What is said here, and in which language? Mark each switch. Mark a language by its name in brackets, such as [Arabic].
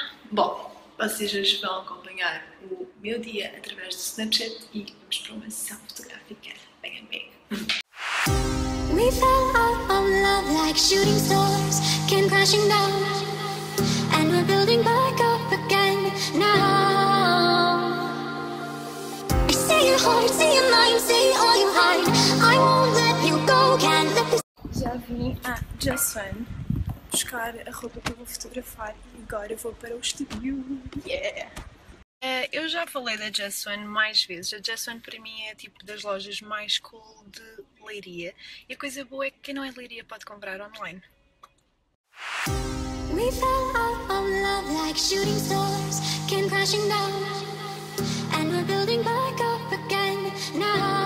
[Portuguese] Bom, vocês hoje vão acompanhar o meu dia através do Snapchat e vamos para uma sessão fotográfica. Venha comigo! [English] We fell out of love like shooting stars came crashing down and we're building back up again now. I see your heart, see your mind, see all you hide. I won't let you go, can't let this... [Portuguese] Já vim a Just Fun buscar a roupa que eu vou fotografar e agora vou para o estúdio. Yeah! Eu já falei da Just One mais vezes. A Just One para mim é tipo das lojas mais cool de Leiria. E a coisa boa é que quem não é de Leiria pode comprar online. [English] We fell out of love like shooting stars came crashing down and we're building back up again now.